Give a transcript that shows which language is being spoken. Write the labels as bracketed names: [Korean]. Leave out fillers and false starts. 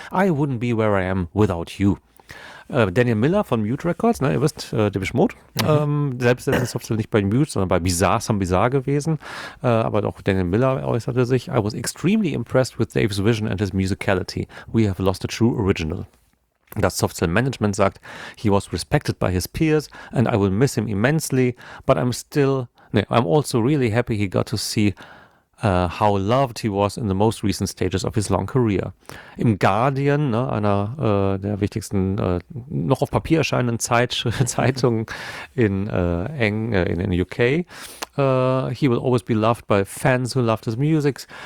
[English] I wouldn't be where I am without you." [German] Daniel Miller von Mute Records, ne, ihr wisst, Depeche Mode, selbst ist Softcell nicht bei Mute, sondern bei Bizarre, Some Bizarre gewesen, aber auch Daniel Miller äußerte sich, [English] "I was extremely impressed with Dave's vision and his musicality. We have lost a true original." [German] Das Softcell Management sagt, [English] "He was respected by his peers and I will miss him immensely, but I'm also really happy he got to see how loved he was in the most recent stages of his long career." [German] Im Guardian, ne, einer der wichtigsten, noch auf Papier erscheinenden Zeitungen in UK, [English] "He will always be loved by fans who loved his music.